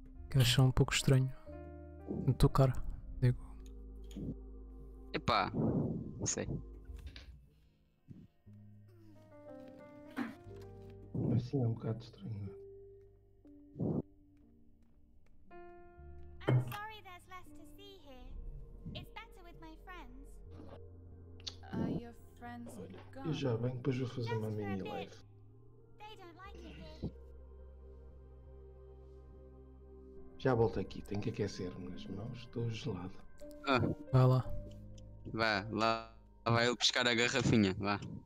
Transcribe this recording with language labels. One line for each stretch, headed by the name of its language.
Portuguese: Que acham um pouco estranho. No teu cara. Digo. Epá. Não sei. Assim é um bocado estranho.
English: I'm sorry there's less to see here. It's better with my friends. Are your friends gone?
Portuguese: Eu já venho, depois vou fazer uma mini live.
English: They don't like it here.
Portuguese: Já volto aqui, tenho que aquecer-me nas mãos, estou gelado. Ah. Vai lá. Vá, lá vai ele buscar a garrafinha, vá.